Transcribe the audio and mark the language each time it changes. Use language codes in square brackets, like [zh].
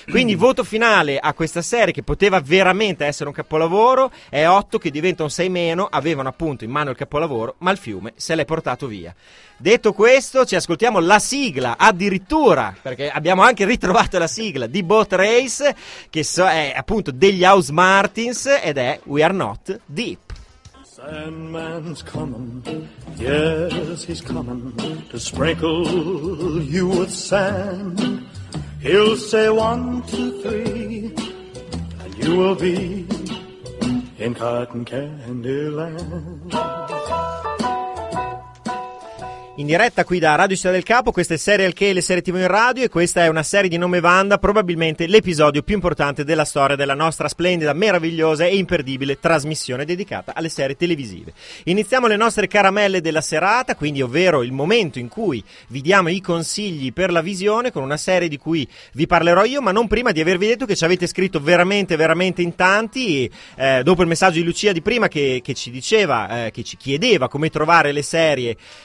[it] Quindi, voto finale a questa serie, che poteva veramente essere un capolavoro, è 8 che diventa un 6 meno, avevano appunto in mano il capolavoro, ma il fiume se l'è portato via. Detto questo, ci ascoltiamo la sigla, addirittura, perché abbiamo anche ritrovato la sigla di Boat Race, che è appunto degli House Martins, ed è We Are Not Deep. [en] Sandman's coming, yes he's coming, to sprinkle you with sand. He'll say 1, 2, 3 and you will be in cotton candy land. [it] In diretta qui da Radio Città del Capo, questa è Serial K, le serie TV in radio, e questa è una serie di nome Wanda, probabilmente l'episodio più importante della storia della nostra splendida, meravigliosa e imperdibile trasmissione dedicata alle serie televisive. Iniziamo le nostre caramelle della serata, quindi ovvero il momento in cui vi diamo i consigli per la visione, con una serie di cui vi parlerò io, ma non prima di avervi detto che ci avete scritto veramente veramente in tanti, dopo il messaggio di Lucia di prima che ci diceva, che ci chiedeva come trovare le serie